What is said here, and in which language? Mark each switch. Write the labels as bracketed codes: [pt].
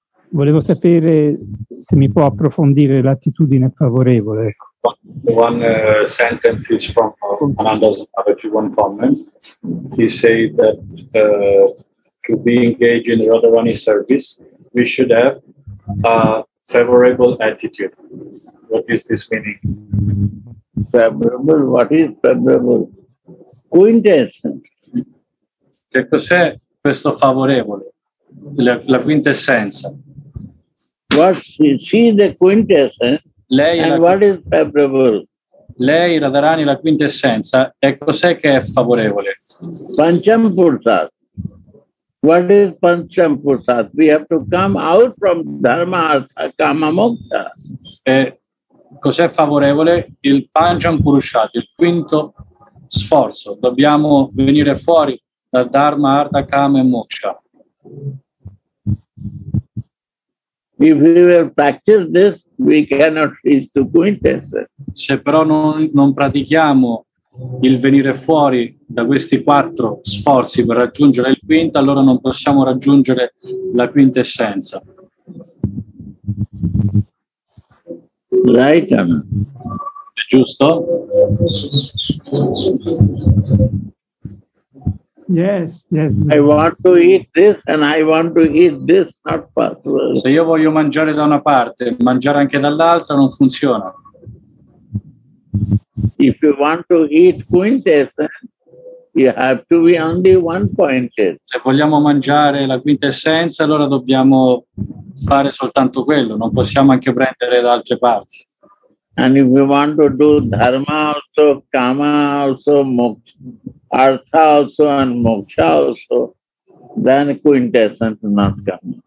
[it] Volevo sapere se mi può approfondire l'attitudine favorevole. [en] One sentence is from Ananda's Babaji, one comment. He said that to be engaged in Radharani service, we should have a favorable attitude. What is this meaning? Favorable? What is favorable? Quintessence. [it] Che cos'è questo favorevole? La quintessenza. [en] What she is the quintessence. [it] Lei [en] and what is favorable? [it] Lei, Radharani, la quintessenza, e cos'è che è favorevole? [en] Pancham Pursat. What is Pancham Pursat? We have to come out from Dharma Artha Kama Mokta. [it] E cos'è favorevole? Il Pancham Pursat, il quinto sforzo. Dobbiamo venire fuori da Dharma Artha Kama Moksha. [en] If we will practice this, we cannot reach to quintessence. [it] Se però non pratichiamo il venire fuori da questi quattro sforzi per raggiungere il quinto, allora non possiamo raggiungere la quintessenza. [en] Right. [it] È giusto? [en] Yes, yes. I want to eat this and I want to eat this, not possible. [it] Se io voglio mangiare da una parte, mangiare anche dall'altra non funziona. [en] If you want to eat quintessence, you have to be only one pointed. [it] Se vogliamo mangiare la quintessenza, allora dobbiamo fare soltanto quello, non possiamo anche prendere da altre parti. [en] And if we want to do dharma also, kama also, moksha, artha also and moksha also, then quintessence not come.